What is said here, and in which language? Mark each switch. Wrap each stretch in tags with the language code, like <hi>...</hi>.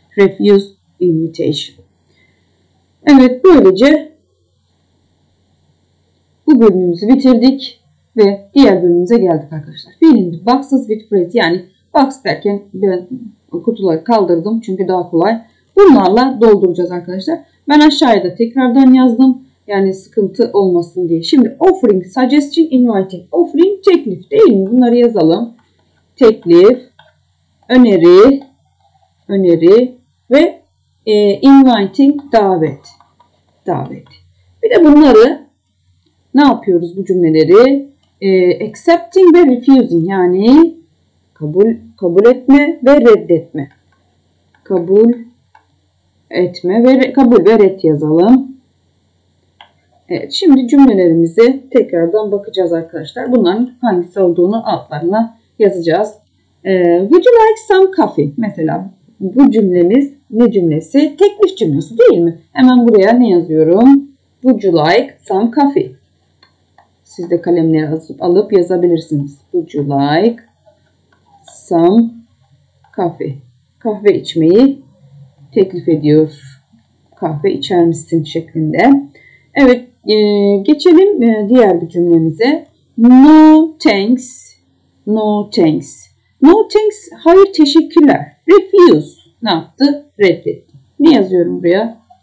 <en>Refuse invitation.</en> <tr>Evet, böylece bu bölümümüzü bitirdik ve diğer bölümümüze geldik arkadaşlar. Fiilin</tr> <en>boxes with phrase,</en> <tr>yani box derken ben kutuları kaldırdım çünkü daha kolay. Bunlarla dolduracağız arkadaşlar. Ben aşağıya da tekrardan yazdım. Yani sıkıntı olmasın diye. Şimdi</tr> <en>offering, suggestion, inviting.</en> <tr>Offering teklif değil mi? Bunları yazalım. Teklif, öneri ve inviting, davet. Davet. Bir de bunları ne yapıyoruz bu cümleleri? Accepting ve refusing, yani kabul etme ve reddetme. Kabul etme ve kabul ve red yazalım. Evet, şimdi cümlelerimizi tekrardan bakacağız arkadaşlar. Bunların hangisi olduğunu altlarına yazacağız.</tr> <en>Would you like some coffee?</en> <tr>Mesela bu cümlemiz ne cümlesi? Teklif cümlesi değil mi? Hemen buraya ne yazıyorum?</tr> <en>Would you like some coffee?</en> <tr>Siz de kalemle yazıp alıp yazabilirsiniz.</tr> <en>Would you like some coffee?</en> <tr>Kahve içmeyi teklif ediyor. Kahve içer misin şeklinde. Evet. Geçelim diğer bir cümlemize.</tr> <en>No thanks. No thanks. No thanks.</en> <tr>Hayır, teşekkürler. Refuse. Ne yaptı? Reddetti. Ne yazıyorum buraya?</tr>